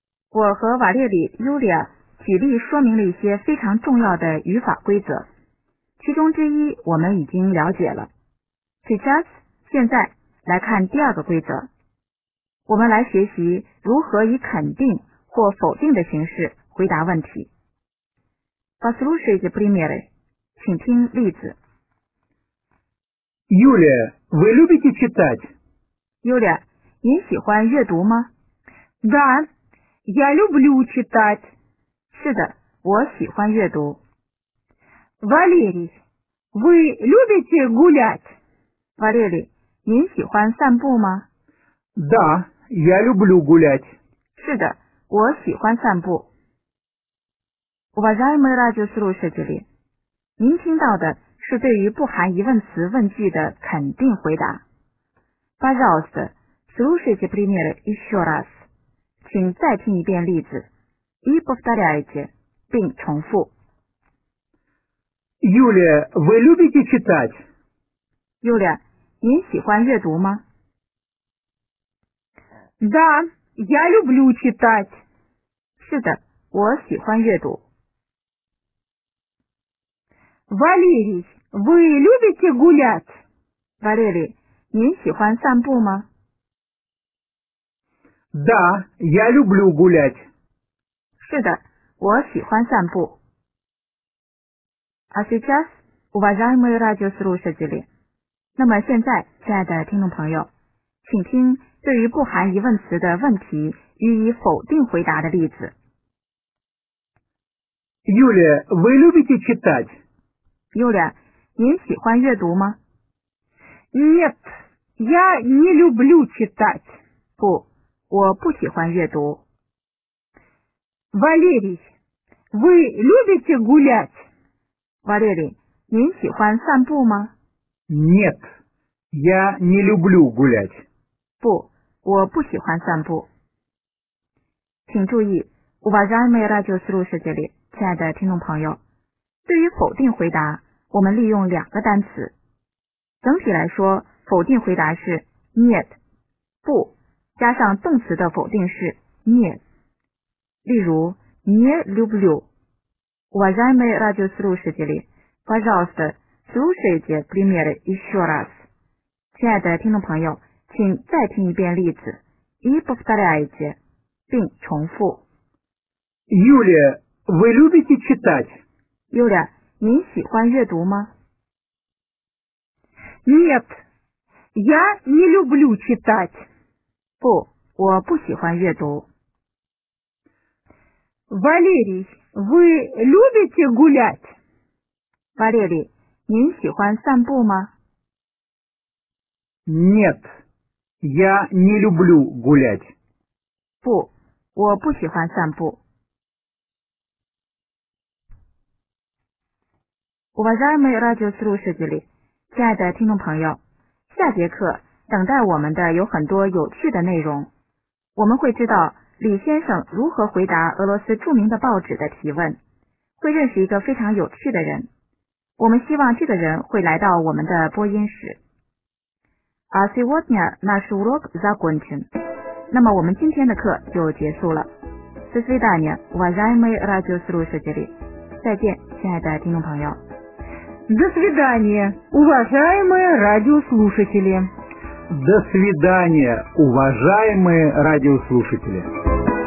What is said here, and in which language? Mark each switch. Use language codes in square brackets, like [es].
[zh] 我和瓦列里、尤里亚举例说明了一些非常重要的语法规则，其中之一我们已经了解了。 [ru] Сейчас, [zh] 现在来看第二个规则，我们来学习如何以肯定或否定的形式回答问题。 [ru] Послушайте примеры, [zh] 请听例子。 [ru] Юля, вы любите читать? [zh] Юля, 您喜欢阅读吗？ [ru] Да, я люблю читать. [zh] 是的，我喜欢阅读。 [ru] Валерий, вы любите гулять? [zh] Валерий, 您喜欢散步吗？ [ru] Да, я люблю гулять. [zh] 是的，我喜欢散步。 [ru] Уважаемые радиослушатели, [zh] 您听到的是对于不含疑问词问句的肯定回答。 [ru] Пожалуйста, слушайте пример еще раз. [zh] 请再听一遍例子。 [ru] И повторяйте, [zh] 并重复。 [ru] Юлия, вы любите читать? [zh] Юлия, 您喜欢阅读吗？ [ru] Да, я люблю читать. [zh] 是的，我喜欢阅读。 [ru] Валерий, вы любите гулять? [zh] Валерий, 您喜欢散步吗？ [ru] Да, я люблю гулять. [zh] 是的，我喜欢散步。 [ru] А сейчас, уважаемые радиослушатели, [zh] 那么现在，亲爱的听众朋友，请听对于不含疑问词的问题予以否定回答的例子。 [ru] Юля, вы любите читать? [zh] Юля, 您喜欢阅读吗？ [ru] Нет, я не люблю читать. [zh] 不，我不喜欢阅读。 [ru] Валерий, вы любите гулять? [zh] Валерий, 您喜欢散步吗？ [ru] Нет, я не люблю гулять. [zh] 不，我不喜欢散步。请注意， [ru] Уважаемые радиослушатели, [zh] 亲爱的听众朋友，对于否定回答，我们利用两个单词。整体来说，否定回答是 нет, 不，加上动词的否定是 нет。例如 не люблю。 [ru] Уважаемые радиослушатели, пожалуйста, слушайте пример еще раз. [zh] 亲爱的听众朋友，请再听一遍例子。 [ru] И повторяйте, [zh] 并重复。 [ru] Юлия, вы любите читать? [zh] Юлия, 您喜欢阅读吗？ [ru] Нет, я не люблю читать. [zh] 不，我不喜欢阅读。 [ru] Валерий, вы любите гулять? [zh] Валерий, 您喜欢散步吗？ [ru] Нет, я не люблю гулять. [zh] 不，我不喜欢散步。 [ru] Уважаемые радиослушатели, [zh] 亲爱的听众朋友，下节课等待我们的有很多有趣的内容。我们会知道李先生如何回答俄罗斯著名的报纸的提问，会认识一个非常有趣的人。我们希望这个人会来到我们的播音室。 [ru] А сегодня наш урок закончен. [zh] 那么我们今天的课就结束了。 [ru] До свидания, уважаемые радиослушатели. [zh] 再见，亲爱的听众朋友。 [ru] До свидания, уважаемые радиослушатели. До свидания, уважаемые радиослушатели.